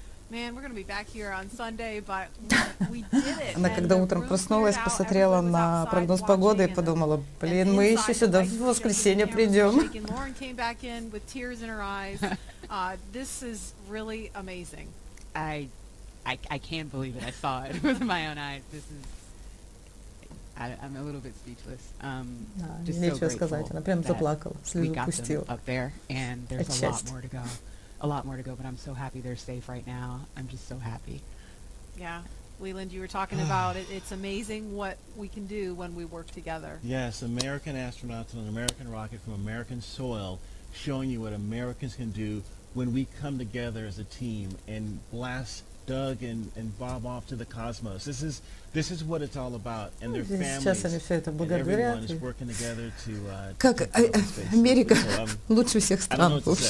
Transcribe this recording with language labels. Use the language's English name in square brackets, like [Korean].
[English] Man, we're gonna be back here on Sunday, but we did it. [Russian] Она когда утром проснулась, посмотрела на прогноз погоды и подумала: блин, мы еще сюда в воскресенье придем. [English] Lauren came back in with tears in her eyes. This is really amazing. I can't believe it. I saw it with my own eyes. This is. I'm a little bit speechless. [Russian] Нечего сказать. Она прям заплакала, слезу пустила. [English] Up there, and there's a lot more to go. A lot more to go, but I'm so happy they're safe right now. I'm just so happy. Yeah, Leland, you were talking about it. It's amazing what we can do when we work together. Yes, American astronauts on an American rocket from American soil showing you what Americans can do when we come together as a team and blast Doug and Bob off to the cosmos. This is what it's all about, and their families and everyone is working together to. [Russian] Как Америка лучше всех стран.